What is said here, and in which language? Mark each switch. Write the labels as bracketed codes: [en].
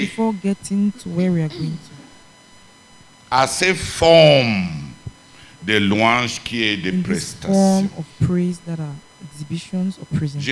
[en] Before getting to where we are going to. [fr] À ces formes de louange qui est des prestations. [en] Form of praise that are exhibitions or presentations.